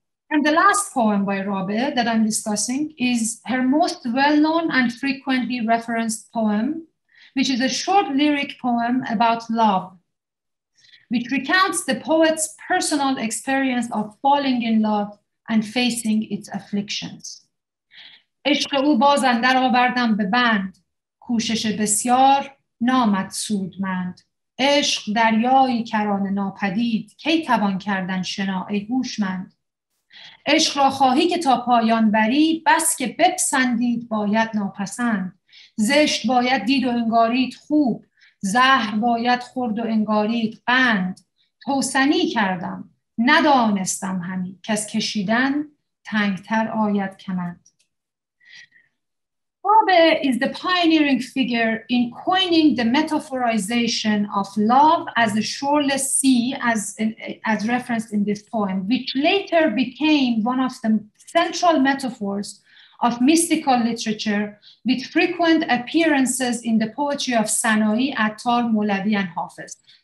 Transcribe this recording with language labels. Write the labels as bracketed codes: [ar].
[en] And the last poem by Rabe that I'm discussing is her most well-known and frequently referenced poem, which is a short lyric poem about love, which recounts the poet's personal experience of falling in love and facing its afflictions. [fa] عشق او باز اندر آوردم به بند، کوشش بسیار نامد سودمند. عشق دریایی کران ناپدید، کی توان کردن شنا ای هوشمند. عشق را خواهی که تا پایان بری، بس که بپسندید باید ناپسند. زشت باید دید و انگارید خوب، زهر باید خورد و انگارید قند. توسنی کردم ندانستم همی کس کشیدن تنگتر آید کمند. [en] Rabe is the pioneering figure in coining the metaphorization of love as a shoreless sea as referenced in this poem, which later became one of the central metaphors of mystical literature with frequent appearances in the poetry of Sana'i, Attar, Molavi, and Hafez.